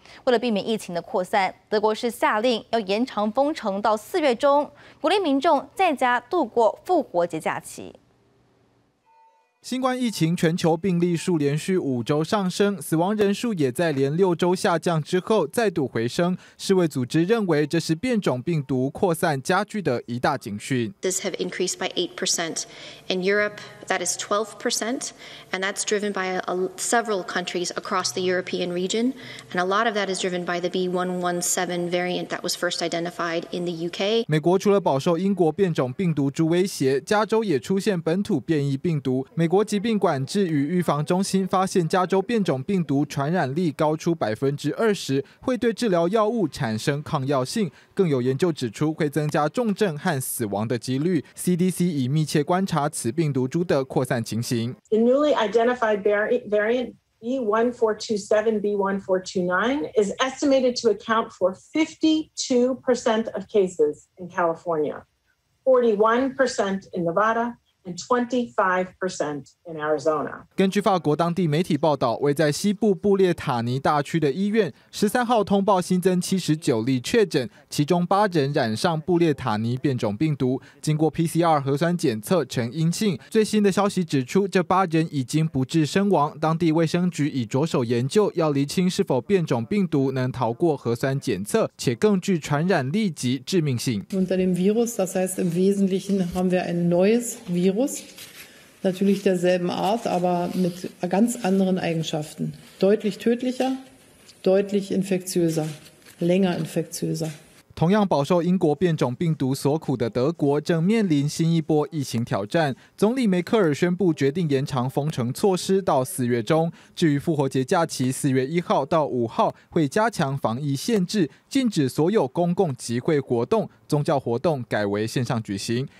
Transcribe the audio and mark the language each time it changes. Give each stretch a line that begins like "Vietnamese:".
Chinese: 为了避免疫情的扩散，德国是下令要延长封城到4月中，鼓励民众在家度过复活节假期。新冠疫情全球病例数连续5周上升，死亡人数也在连6周下降之后再度回升。世卫组织认为，这是变种病毒扩散加剧的一大警讯。
English: This has increased by 8% in Europe. That is 12%, and that's driven by several countries across the European region. And a lot of that is driven by the B.1.1.7 variant that was first identified in the UK.
Chinese: 美国除了饱受英国变种病毒株威胁，加州也出现本土变异病毒。美国疾病管制与预防中心发现，加州变种病毒传染力高出20%，会对治疗药物产生抗药性。更有研究指出，会增加重症和死亡的几率。 CDC 已密切观察此病毒株的扩散情形。
English: The newly identified variant B1427 B1429 is estimated to account for 52% of cases in California, 41% in Nevada. 25% in Arizona.
Chinese: 根据法国当地媒体报道，位在西部布列塔尼大区的医院13号通报新增79例确诊，其中8人染上布列塔尼变种病毒，经过 PCR 核酸检测呈阴性。最新的消息指出，这8人已经不治身亡。当地卫生局已着手研究，要厘清是否变种病毒能逃过核酸检测，且更具传染力及致命性。
German: Unter dem Virus, das heißt im Wesentlichen haben wir ein neues Virus. Natürlich derselben Art, aber mit ganz anderen Eigenschaften. Deutlich tödlicher, deutlich infektiöser, länger infektiöser.
Chinese: 同样饱受英国变种病毒所苦的德国正面临新一波疫情挑战。总理梅克尔宣布决定延长封城措施到4月中。至于复活节假期4月1号到5号会加强防疫限制，禁止所有公共集会活动，宗教活动改为线上举行。